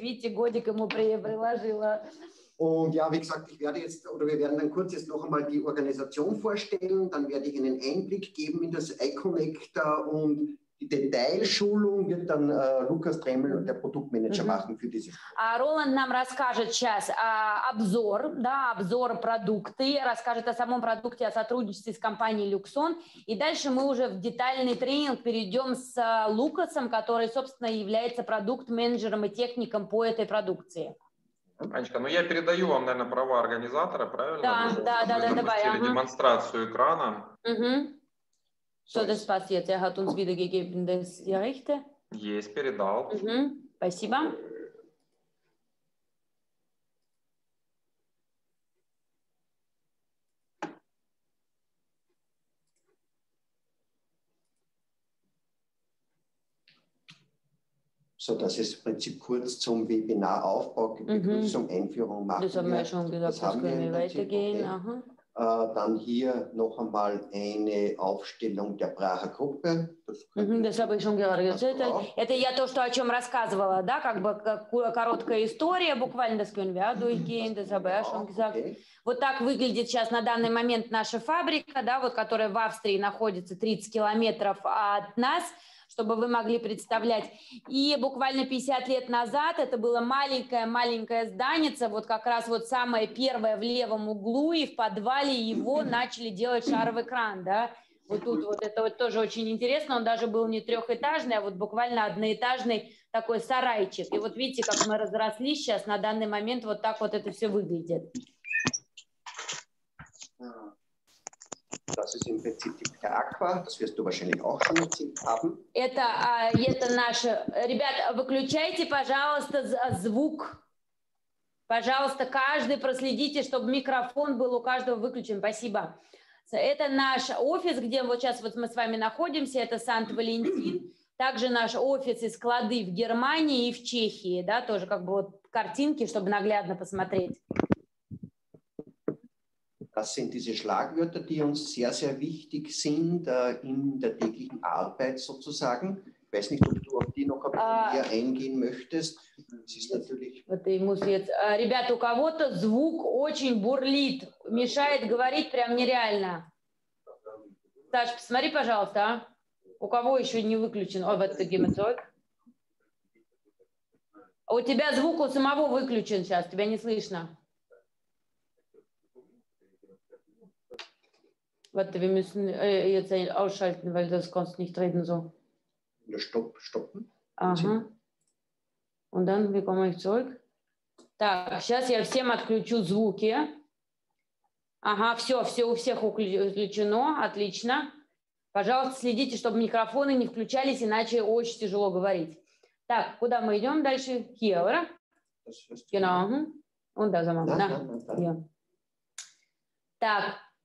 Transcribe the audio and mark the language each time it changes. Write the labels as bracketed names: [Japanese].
[Russian] Видите, годик ему приложила. [German] Und ja, wie gesagt, wir werden dann kurz jetzt noch einmal die Organisation vorstellen. Dann werde ich einen Einblick geben in das iConnect und Detailschulung wird dann Lukas Dremel, der Produktmanager, machen für diese. [Russian] Роланд нам расскажет сейчас обзор, да, обзор продукты, расскажет о самом продукте, о сотрудничестве с компанией Luxon, и дальше мы уже в детальный тренинг перейдем с Лукасом, который, собственно, является продукт-менеджером и техником по этой продукции. Анечка, ну я передаю вам, наверное, права организатора, правильно? Да, да, да, да, давай. Запустили демонстрацию экрана. [German] So, das passiert. Er hat uns wiedergegeben, das Gerichte. [Russian] Есть, передал. Спасибо. [German] So, das ist im Prinzip kurz zum Webinaraufbau, Begrüßung, Einführung machen. Das haben wir schon gesagt, das können wir weitergehen. Okay. Dann hier noch einmal eine Aufstellung der Bracher Gruppe. Das habe ich schon gerade gesagt. [Russian] Это я то, что о чем рассказывала, да, как бы короткая история, буквально, [German] das können wir durchgehen, das habe ich schon gesagt. [Russian] Вот так выглядит сейчас на данный момент наша фабрика, да, вот которая в Австрии находится 30 километров от нас, чтобы вы могли представлять. И буквально 50 лет назад это было маленькое-маленькое зданице, вот как раз вот самое первое в левом углу, и в подвале его начали делать шаровый кран, да? Вот тут вот это вот тоже очень интересно, он даже был не трехэтажный, а вот буквально одноэтажный такой сарайчик. И вот видите, как мы разросли сейчас, на данный момент вот так вот это все выглядит. [German] Das ist im Prinzip die Aqua, das wirst du wahrscheinlich auch schon erzählt haben. [Russian] Это наше. Ребят, выключайте, пожалуйста, звук. Пожалуйста, каждый проследите, чтобы микрофон был у каждого выключен. Спасибо. Это наш офис, где вот сейчас вот мы с вами находимся, это Сант-Валентин. Также наш офис и склады в Германии и в Чехии, да, тоже как бы вот картинки, чтобы наглядно посмотреть. [German] Das sind diese Schlagwörter, die uns sehr, sehr wichtig sind in der täglichen Arbeit sozusagen. Ich weiß nicht, ob du auf die noch ein bisschen mehr eingehen möchtest, das ist natürlich... [Russian] Ребята, у кого-то звук очень бурлит, мешает говорить прям нереально. Саш, посмотри, пожалуйста, у кого еще не выключен? Ой, вот таким звук. У тебя звук у самого выключен сейчас, тебя не слышно. [German] Warte, wir müssen jetzt ausschalten, weil das kannst nicht reden so. Ja, stopp, stoppen. Aha. Und dann, wie komme ich zurück? [Russian] Так, сейчас я всем отключу звуки. Ага, все, все у всех включено, отлично. Пожалуйста, следите, чтобы микрофоны не включались, иначе очень тяжело говорить. Так, куда мы идем дальше? Хиэлэра. [German] Genau. Und da sind wir. [Russian] Да, да, да. Так.